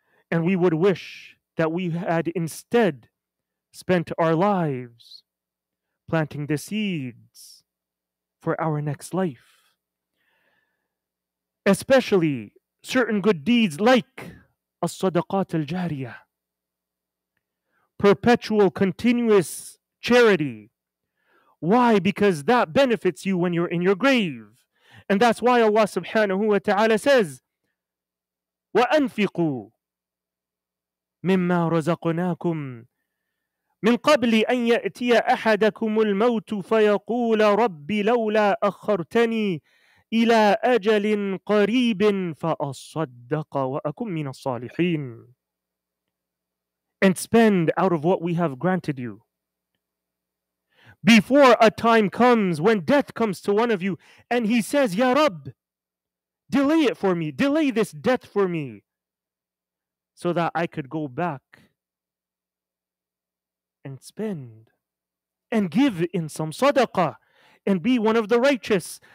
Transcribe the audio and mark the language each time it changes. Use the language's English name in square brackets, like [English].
[English] And we would wish that we had instead spent our lives planting the seeds for our next life. Especially certain good deeds like as-sadaqat al-jariyah, perpetual, continuous charity. Why? Because that benefits you when you're in your grave. And that's why Allah subhanahu wa ta'ala says, [Arabic] وَأَنْفِقُوا مِمَّا رَزَقْنَاكُمْ مِنْ قَبْلِ أَنْ يَأْتِيَ أَحَدَكُمُ الْمَوْتُ فَيَقُولَ رَبِّ لَوْلَا أَخَّرْتَنِي إِلَىٰ أَجَلٍ قَرِيبٍ فَأَصَّدَّقَ وَأَكُمْ مِنَ الصَّالِحِينَ. [English] And spend out of what we have granted you before a time comes when death comes to one of you and he says, Ya Rabb, delay it for me. Delay this death for me so that I could go back and spend and give in some sadaqah and be one of the righteous.